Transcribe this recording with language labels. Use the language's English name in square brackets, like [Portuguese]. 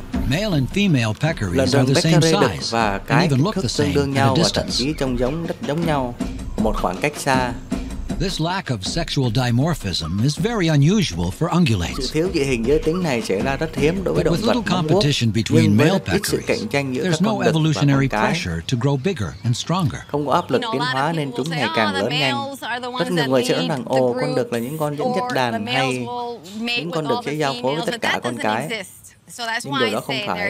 [English] Male and female peccaries are the same size. [Vietnamese] Và cái kích thước tương đương nhau và thậm chí trông giống rất giống nhau một khoảng cách xa. [English] This lack of sexual dimorphism is very unusual for ungulates. [Vietnamese] Sự thiếu dị hình giới tính này xảy ra rất hiếm đối với động vật móng vuốt. Nhưng với rất ít sự cạnh tranh giữa các con vật và pressure [English] to grow bigger and stronger. [Vietnamese] Không có áp lực tiến hóa nên chúng ngày càng lớn nhanh. Rất nhiều người sẽ nói rằng, ồ, con đực là những con dẫn dắt đàn hay những con đực sẽ giao phối với tất cả con cái. Nhưng điều đó không phải.